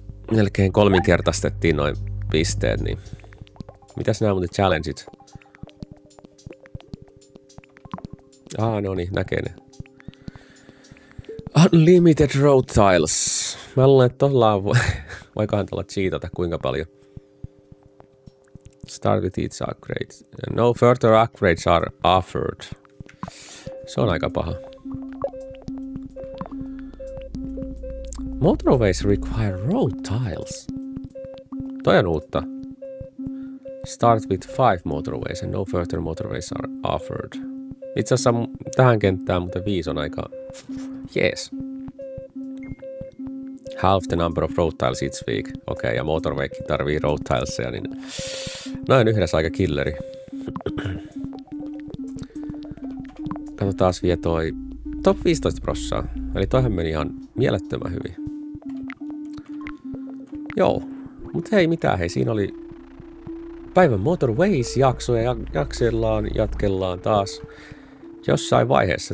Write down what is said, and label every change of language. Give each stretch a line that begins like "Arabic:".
Finnish: melkein kolminkertaistettiin noin pisteet, niin mitäs nämä muuten challengeit? Ah, no niin, näkee ne.
English: Unlimited road tiles.
Finnish: Mä luulen, että tollaan voikohan tuolla cheatata kuinka paljon.
English: Start with each upgrade. No further upgrades are offered.
Finnish: Se on aika paha.
English: Motorways require road tiles.
Finnish: Toi on uutta.
English: Start with 5 motorways and no further motorways are offered.
Finnish: Itse asiassa tähän kenttään muuten 5 on aika...
English: Yes. Half the number of road tiles each week.
Finnish: Okei, okay, ja motorwaykin tarvii road tileseja, niin... Noin yhdessä aika killeri. Kato taas vie toi top 15%. Eli toihan meni ihan mielettömän hyvin. Joo. Mut hei, mitään. Hei, siinä oli päivän Motorways-jakso ja jatkellaan taas jossain vaiheessa.